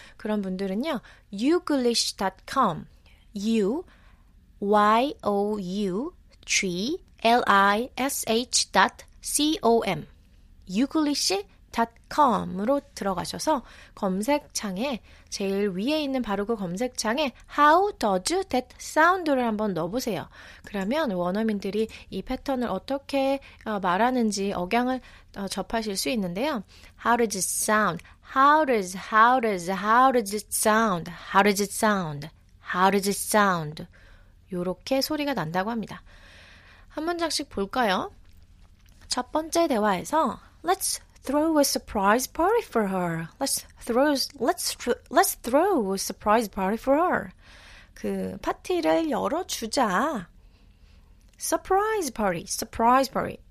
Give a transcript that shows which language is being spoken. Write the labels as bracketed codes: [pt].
[ko] 그런 분들은요. youglish.com youglish.com youglish.com으로 들어가셔서 검색창에 제일 위에 있는 바로 그 검색창에 [en] How does that sound? [ko] 를 한번 넣어보세요. 그러면 원어민들이 이 패턴을 어떻게 말하는지 억양을 접하실 수 있는데요. [en] How does it sound? How does, how does, how does it sound? How does it sound? How does it sound? [ko] 이렇게 소리가 난다고 합니다. 한 문장씩 볼까요? 첫 번째 대화에서 [en] Let's throw a surprise party for her. Let's throw a surprise party for her. [ko] 그 파티를 열어주자. Surprise party.